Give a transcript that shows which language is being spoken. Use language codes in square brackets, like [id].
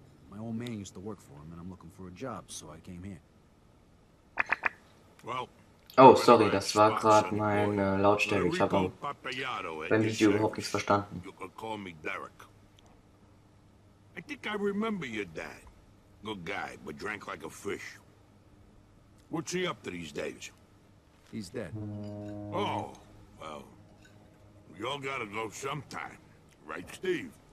[en] My old man used to work for him, and I'm looking for a job, so I came here. Well, [de] oh, sorry, das war gerade mein Lautstärke. Ich habe beim Video überhaupt nichts verstanden. [en] You can call me Derek. I think I remember your dad. Good guy, but drank like a fish. What's he up to these days? He's dead. Oh. Well, we all gotta go sometime, right, Steve?